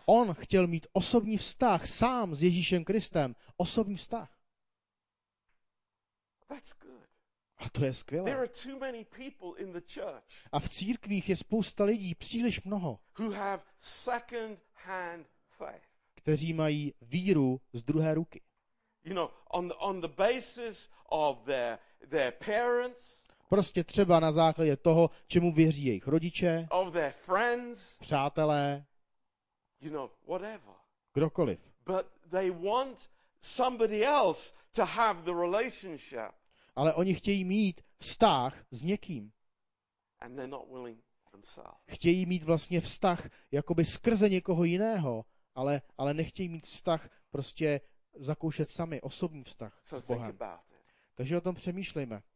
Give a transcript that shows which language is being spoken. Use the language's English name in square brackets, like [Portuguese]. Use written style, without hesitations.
[Czech] On chtěl mít osobní vztah sám s Ježíšem Kristem, osobní vztah. [English] That's good. [Czech] A to je skvělé. [English] There are too many people in the church. [Czech] A v církvích je spousta lidí, příliš mnoho. [English] Who have second hand faith. [Czech] Kteří mají víru z druhé ruky. [English] You know, on the basis of their parents. [Czech] Prostě třeba na základě toho, čemu věří jejich rodiče. [English] Of their friends. [Czech] Přátelé. [English] You know, whatever. [Czech] Kdokoliv. [English] But they want somebody else to have the relationship. [Czech] Ale oni chtějí mít vztah s někým. [English] And they're not willing themselves. [Czech] Chtějí mít vlastně vztah jakoby skrze někoho jiného. Ale nechtějí mít vztah, prostě zakoušet sami osobní vztah [English] so [Czech] s Bohem. Takže o tom přemýšlejme.